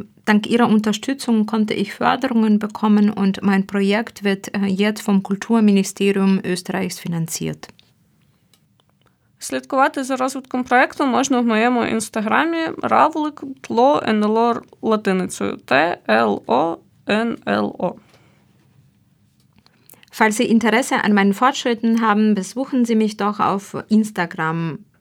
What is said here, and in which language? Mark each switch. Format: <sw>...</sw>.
<de>Dank Ihrer Unterstützung konnte ich Förderungen bekommen und mein Projekt wird jetzt vom Kulturministerium Österreichs finanziert.</de> <uk>Слідкувати за розвитком проєкту можна в моєму інстаграмі Ravlik Tlo NLO латиницею T-L-O-N-L-O.</uk> <de>Falls Sie Interesse an meinen Fortschritten haben, besuchen Sie mich doch auf Instagram.</de>